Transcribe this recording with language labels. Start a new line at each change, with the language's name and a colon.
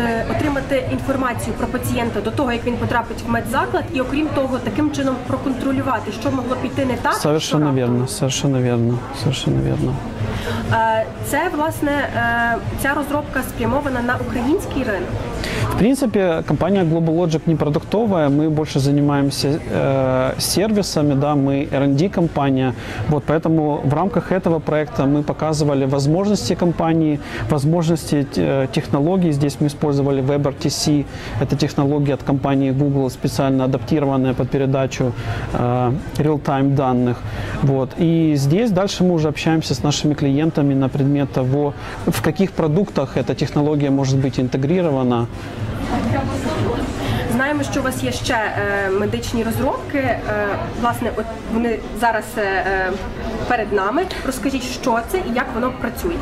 Ukrainian: Отримати інформацію про пацієнта до того, як він потрапить в медзаклад, і окрім того, таким чином проконтролювати, що могло піти не так.
Russian: Совершенно верно, совершенно верно, совершенно верно.
Ukrainian: Це, власне, ця розробка спрямована на український ринок. В принципі, компанія GlobalLogic не продуктова, ми більше займаємося сервісами, да, ми R&D компанія.
Russian: Вот, поэтому в рамках этого проекта мы показывали возможности компании, возможности технологий. Здесь мы использовали WebRTC, это технология от компании Google, специально адаптированная под передачу real-time данных. Вот. И здесь дальше мы уже общаемся с нашими клиентами на предмет того, в каких продуктах эта технология может быть интегрирована.
Ukrainian: Знаємо, що у вас є ще медичні розробки, власне, от вони зараз перед нами. Розкажіть, що це і як воно працює.